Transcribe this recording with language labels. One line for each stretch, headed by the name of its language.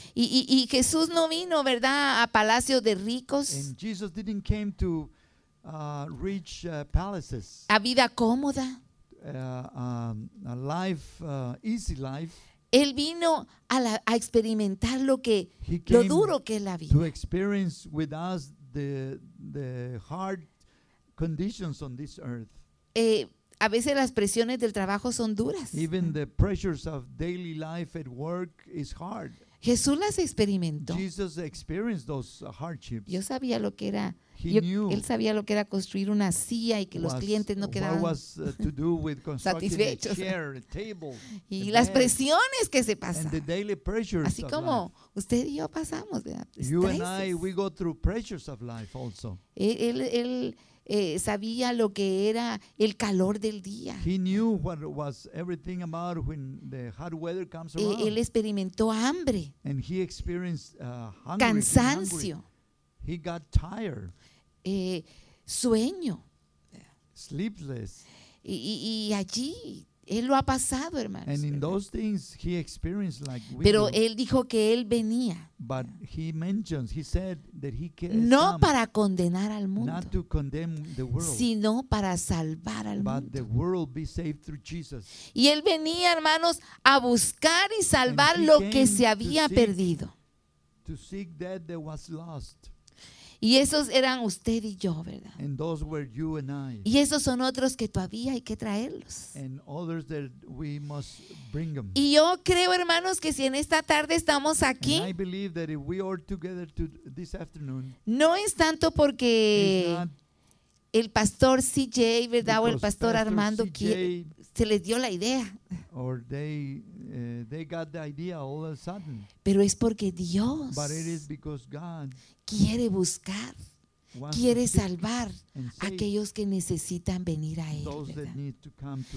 Spanish: Y Jesús no vino, ¿verdad? A palacios de ricos.
English: And Jesus didn't came to rich palaces.
Spanish: A vida cómoda.
English: A life, easy life.
Spanish: Él vino a experimentar lo que lo duro que es la vida.
English: To experience with us the hard conditions on this earth.
Spanish: A veces las presiones del trabajo son duras.
English: Even the pressures of daily life at work is hard.
Spanish: Jesús las experimentó.
English: Jesus experienced those hardships.
Spanish: Yo sabía lo que era. Él sabía lo que era construir una silla y que los clientes no quedaban satisfechos. Y las presiones que se pasan.
English: And the daily pressures
Spanish: Así como
English: of life.
Spanish: Usted y yo pasamos, ¿verdad?
English: You and I, we go through pressures of life also.
Spanish: Él sabía lo que era el calor del día.
English: He knew what was everything about when the hot weather comes around.
Spanish: Él experimentó hambre.
English: And he experienced hungry.
Spanish: Cansancio.
English: He got tired.
Spanish: Sueño.
English: Sleepless.
Spanish: Y allí él lo ha pasado, hermanos.
English: And in those things he experienced like we
Spanish: Pero
English: do.
Spanish: Él dijo que él venía.
English: But he mentions, he said that he came.
Spanish: No para condenar al mundo.
English: Not to condemn the world.
Spanish: Sino para salvar al
English: but
Spanish: mundo.
English: But the world be saved through Jesus.
Spanish: Y él venía, hermanos, a buscar y salvar lo que se había perdido.
English: To seek that was lost.
Spanish: Y esos eran usted y yo, ¿verdad?
English: And those were you and I.
Spanish: Y esos son otros que todavía hay que traerlos.
English: And others that we must bring them.
Spanish: Y yo creo, hermanos, que si en esta tarde estamos aquí,
English: and I believe that if we are together to this afternoon,
Spanish: no es tanto porque el pastor CJ, ¿verdad? O el pastor Armando se les dio la idea.
English: Or they got the idea all of a sudden.
Spanish: Pero es porque Dios
English: But it is because God
Spanish: quiere buscar, quiere salvar a aquellos que necesitan venir a Él, ¿verdad?